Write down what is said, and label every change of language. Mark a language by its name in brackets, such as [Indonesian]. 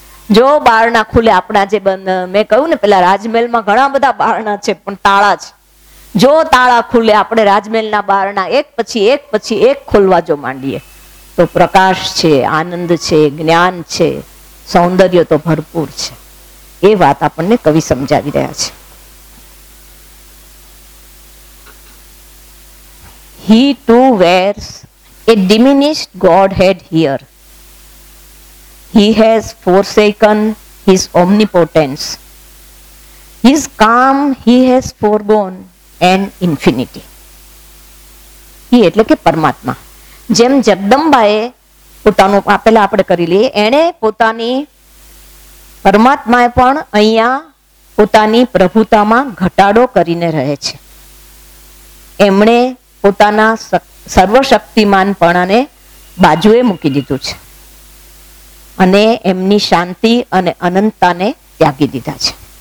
[Gujarati] જો બારણા ખુલે આપણા, જે બંધ મેં કહ્યું ને પેલા રાજમહેલમાં ઘણા બધા બારણા છે પણ તાળા છે, જો તાળા ખુલે આપણે રાજમહેલના બારણા એક પછી એક પછી એક ખોલવા જો માંડીએ તો પ્રકાશ છે, આનંદ છે, જ્ઞાન છે, સૌંદર્ય તો ભરપૂર છે, એ વાત આપણને કવિ સમજાવી રહ્યા છે. [English] He too wears a diminished godhead here. He has forsaken his omnipotence. His calm he has foregone and infinity. [Gujarati] He એટલે કે પરમાત્મા, જેમ જગદંબાએ પોતાનું આપેલા આપણે કરી લઈએ, એને પોતાની પરમાત્માએ પણ અહીંયા પોતાની પ્રભુતામાં ઘટાડો કરીને રહે છે. એમણે પોતાના સર્વશક્તિમાનપણાને બાજુએ મૂકી દીધું છે અને એમની શાંતિ અને અનંતતાને ત્યાગી દીધા છે.